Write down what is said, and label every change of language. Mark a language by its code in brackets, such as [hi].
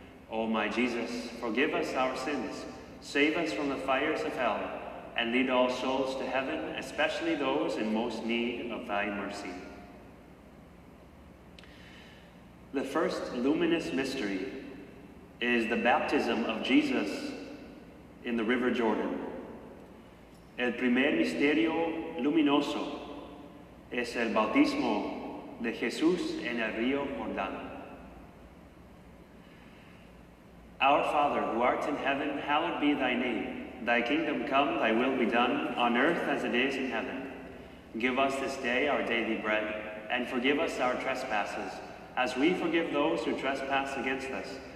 [en] O my Jesus, forgive us our sins, save us from the fires of hell, and lead all souls to heaven, especially those in most need of thy mercy. The first luminous mystery is the baptism of Jesus in the River Jordan. [es] El primer misterio luminoso es el bautismo de Jesús en el río Jordán. [en] Our Father, who art in heaven, hallowed be thy name. Thy kingdom come, thy will be done, on earth as it is in heaven. Give us this day our daily bread, and forgive us our trespasses, as we forgive those who trespass against us.